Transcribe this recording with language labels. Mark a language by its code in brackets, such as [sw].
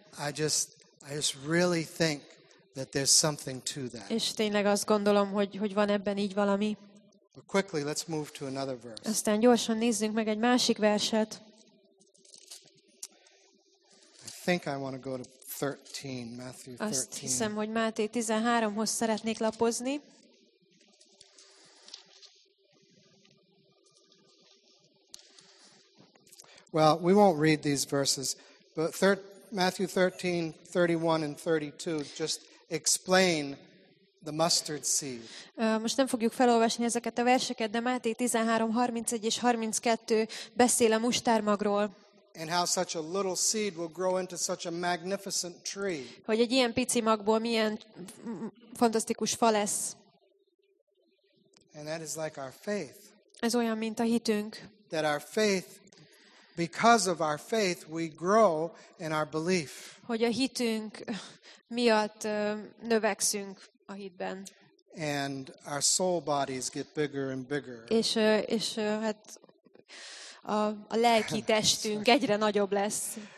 [en] I just really think that there's something to that. [hu] És tényleg azt gondolom, hogy van ebben így valami. [en] But quickly, let's move to another verse. [hu] Aztán gyorsan nézzünk meg egy másik verset. [en] I think I want to go to 13, Matthew 13. [hu] Azt hiszem, hogy Máté 13-hoz szeretnék lapozni. [en] Well, we won't read these verses, but Matthew 13, 31 and 32 just explain the mustard seed. [hu] Most nem fogjuk felolvasni ezeket a verseket, de Máté 13, 31 és 32 beszél a mustármagról. [en] And how such a little seed will grow into such a magnificent tree. [hu] Hogy egy ilyen pici magból milyen fantasztikus fa lesz. [en] And that is like our faith. [hu] Ez olyan, mint a hitünk. [en] That our faith, because of our faith, we grow in our belief. [hu] Hogy a hitünk miatt növekszünk a hitben. [en] And our soul bodies get bigger and bigger. [hu] És hát a lelki testünk egyre nagyobb lesz.